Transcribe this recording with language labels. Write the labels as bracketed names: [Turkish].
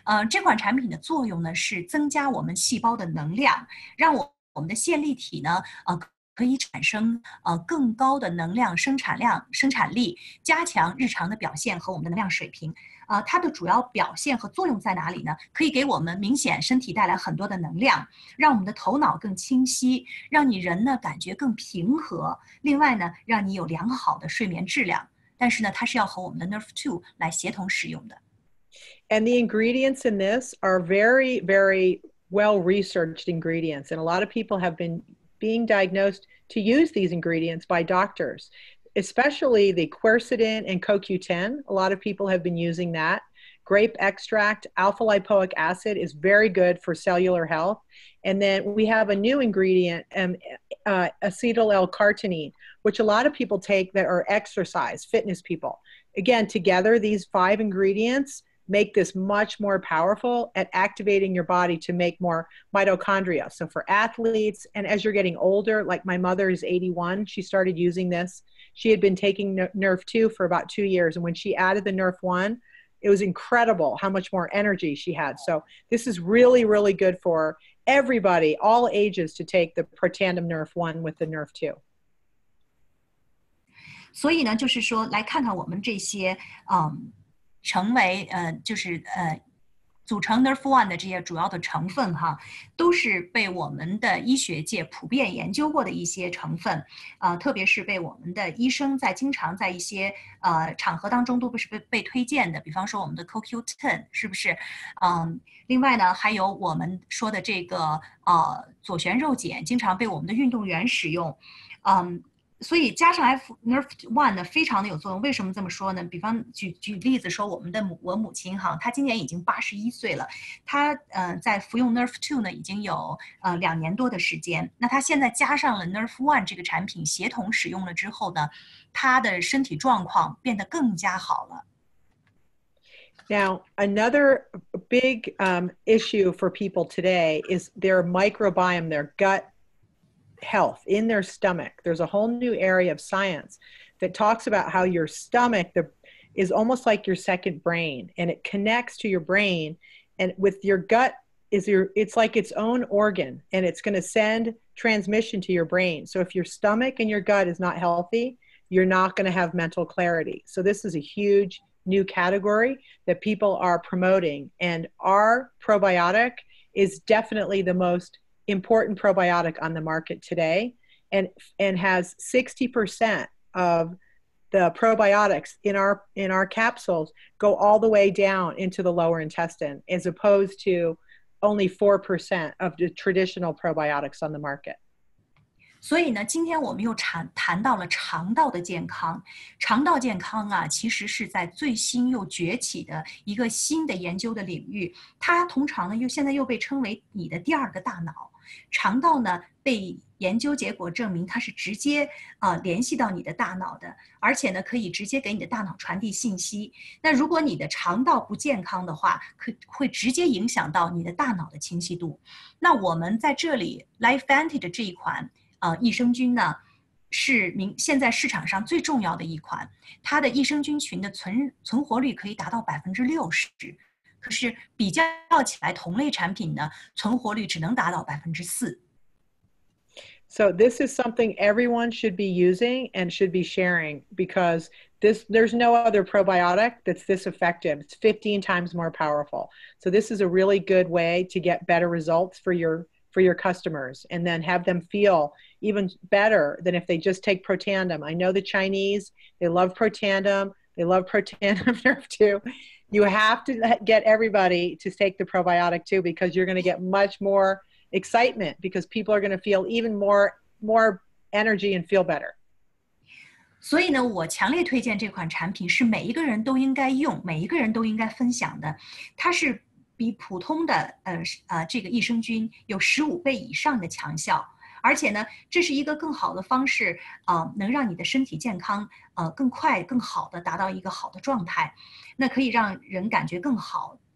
[Chinese] 这款产品的作用呢，是增加我们细胞的能量，让我们的线粒体呢，可以产生更高的能量生产量、生产力，加强日常的表现和我们的能量水平。它的主要表现和作用在哪里呢？可以给我们明显身体带来很多的能量，让我们的头脑更清晰，让你人呢感觉更平和。另外呢，让你有良好的睡眠质量。但是呢，它是要和我们的 Nerve 2来协同使用的。 [English] And the ingredients in this are very, very well-researched ingredients, and a lot of people have been being diagnosed to use these ingredients by doctors, especially the quercetin and CoQ10. A lot of people have been using that. Grape extract, alpha lipoic acid is very good for cellular health. And then we have a new ingredient, acetyl L-carnitine, which a lot of people take that are exercise, fitness people. Again, together, these five ingredients make this much more powerful at activating your body to make more mitochondria. So for athletes, and as you're getting older, like my mother is 81, she started using this. She had been taking Nerve 2 for about 2 years. And when she added the Nerve 1, it was incredible how much more energy she had. So this is really, really good for everybody, all ages, to take the Protandim Nerve 1 with the Nerve 2. [Chinese] 所以呢，就是说来看看我们这些成为就是组成 Nerve 1的这些主要的成分哈，都是被我们的医学界普遍研究过的一些成分，特别是被我们的医生在经常在一些场合当中都不是被推荐的，比方说我们的 CoQ10 是不是？另外呢，还有我们说的这个左旋肉碱，经常被我们的运动员使用，所以加上 Nerve 1呢，非常的有作用。为什么这么说呢？比方举例子说，我母亲哈，她今年已经81岁了，她在服用 Nerve 2呢，已经有2年多的时间。那她现在加上了 Nerve 1这个产品，协同使用了之后呢，她的身体状况变得更加好了。 [English] Now another big issue for people today is their microbiome, their gut. Health in their stomach. There's a whole new area of science that talks about how your stomach is almost like your second brain, and it connects to your brain, and with your gut it's like its own organ, and it's going to send transmission to your brain. So if your stomach and your gut is not healthy, you're not going to have mental clarity. So this is a huge new category that people are promoting, and our probiotic is definitely the mostimportant probiotic on the market today and has 60% of the probiotics in our capsules go all the way down into the lower intestine, as opposed to only 4% of the traditional probiotics on the market. [Chinese] 所以呢，今天我们又谈到了肠道的健康。肠道健康啊，其实是在最新又崛起的一个新的研究的领域。它通常呢，又现在又被称为你的第二个大脑。肠道呢，被研究结果证明它是直接联系到你的大脑的，而且呢，可以直接给你的大脑传递信息。那如果你的肠道不健康的话，会直接影响到你的大脑的清晰度。那我们在这里 Lifevantage 这一款。益生菌呢是现在市场上最重要的一款，它的益生菌群的存活率可以达到 60%， 可是比较起来同类产品呢存活率只能达到 4%。 [English] So this is something everyone should be using and should be sharing, because there's no other probiotic that's this effective. It's 15 times more powerful. So this is a really good way to get better results for your customers, and then have them feel even better than if they just take Protandim. I know the Chinese, they love Protandim. They love Protandim Nerve too. You have to get everybody to take the probiotic too, because you're going to get much more excitement, because people are going to feel even more energy and feel better. [Chinese] 所以呢，我强烈推荐这款产品是每一个人都应该用，每一个人都应该分享的。它是比普通的这个益生菌有15倍以上的强效，而且呢，这是一个更好的方式，能让你的身体健康更快更好的达到一个好的状态，那可以让人感觉更好。